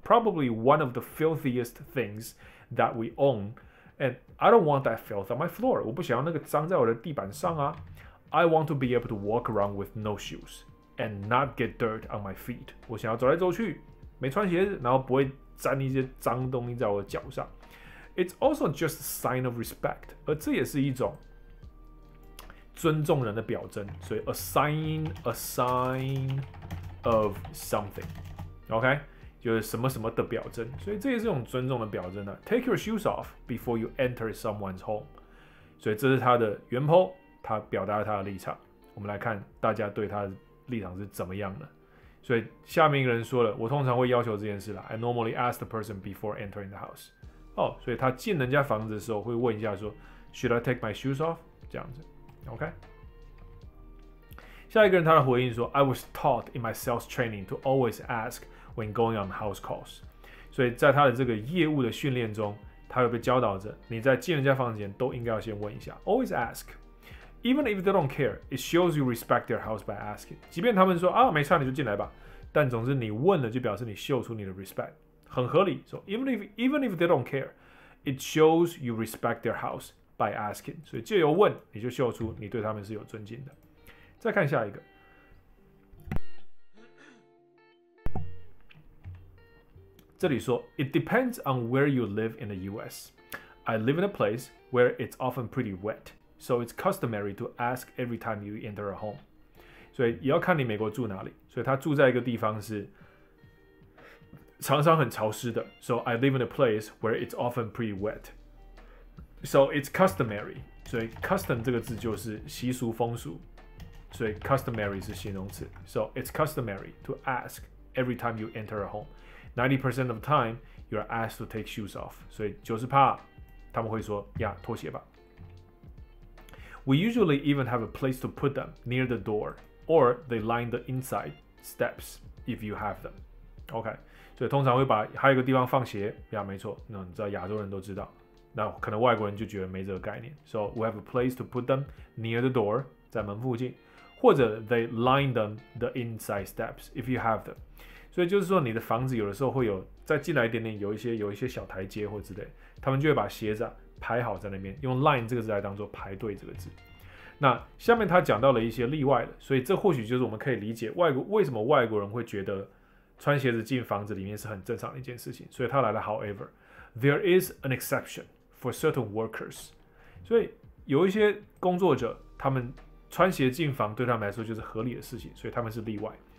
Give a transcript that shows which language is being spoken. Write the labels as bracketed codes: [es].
[en] Probably one of the filthiest things that we own， and I don't want that filth on my floor。 [zh] 我不想要那个脏在我的地板上啊。 [en] I want to be able to walk around with no shoes and not get dirt on my feet。 [zh] 我想要走来走去。没穿鞋子，然后不会沾一些脏东西在我的脚上。 [en] It's also just a sign of respect， [zh] 而这也是一种尊重人的表征。所以 [en] a sign of something， [zh] OK， 就是什么什么的表征。所以这也是一种尊重的表征、 [en] Take your shoes off before you enter someone's home。 [zh] 所以这是他的原 po， 他表达了他的立场。我们来看大家对他的立场是怎么样的。所以下面一个人说了，我通常会要求这件事啦。 [en] I normally ask the person before entering the house。 [zh] 哦，所以他进人家房子的时候会问一下说 [en] ，Should I take my shoes off？ [zh] 这样子 [en] ，OK。 [zh] 下一个人他的回应说 [en] I was taught in my sales training to always ask when going on house calls. [zh] 所以在他的这个业务的训练中，他有被教导着，你在进人家房间都应该要先问一下 [en] always ask. Even if they don't care, it shows you respect their house by asking. [zh] 即便他们说啊没差你就进来吧，但总之你问了就表示你秀出你的 respect， 很合理。 [en] So even if they don't care, it shows you respect their house by asking. [zh] 所以藉由问你就秀出你对他们是有尊敬的。再看下一个，这里说 [en] It depends on where you live in the US. I live in a place where it's often pretty wet, so it's customary to ask every time you enter a home. [zh] 所以也要看你美国住哪里，所以他住在一个地方是常常很潮湿的。 [en] So I live in a place where it's often pretty wet, so it's customary. [zh] 所以 custom 这个字就是习俗风俗，所以 customary 是形容词。 [en] So it's customary to ask every time you enter a home. 90% of the time, you're asked to take shoes off. [zh] 所以 90% 他们会说呀脱鞋吧。 [en] We usually even have a place to put them near the door, or they line the inside steps if you have them. [zh] OK, 所以通常会把还有一个地方放鞋呀，没错，那你知道亚洲人都知道，那可能外国人就觉得没这个概念。 [en] So we have a place to put them near the door, [zh] 在门附近，或者 [en] they line them the inside steps if you have them. [zh] 所以就是说你的房子有的时候会有再进来一点点，有一些小台阶或之类，他们就会把鞋子、啊、排好在那边，用 line 这个字来当做排队这个字。那下面他讲到了一些例外了，所以这或许就是我们可以理解为什么外国人会觉得穿鞋子进房子里面是很正常的一件事情。所以他来了 [en] however, there is an exception for certain workers. [zh] 所以有一些工作者他们穿鞋进房对他们来说就是合理的事情，所以他们是例外。